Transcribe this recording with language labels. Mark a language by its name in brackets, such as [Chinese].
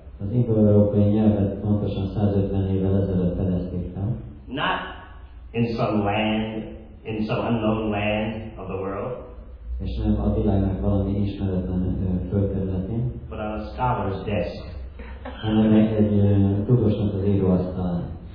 [Hungarian] Az indo-európai nyelvet pontosan 150 évvel ezelőtt fedezték fel. [English] Not in some land, in some unknown land of the world. [Hungarian] És nem a világnak valami ismeretlen földterületén. [English] But on a scholar's desk. [Hungarian] Hanem egy tudósnak az íróasztalán.